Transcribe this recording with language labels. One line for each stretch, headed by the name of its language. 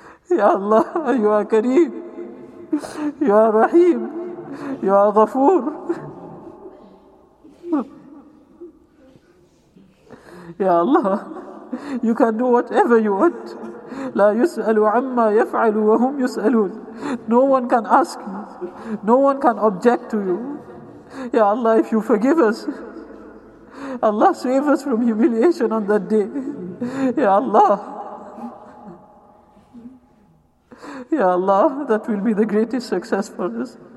English: Ya Allah, you are Kareem. You are Rahim. You are Ghafoor. Ya Allah, you can do whatever you want.
Arabic: لا يسأل عما يفعل وهم يسألون.
English: No one can ask you. No one can object to you. Ya Allah, if you forgive us, Allah save us from humiliation on that day. Ya Allah. Ya Allah, that will be the greatest success for us.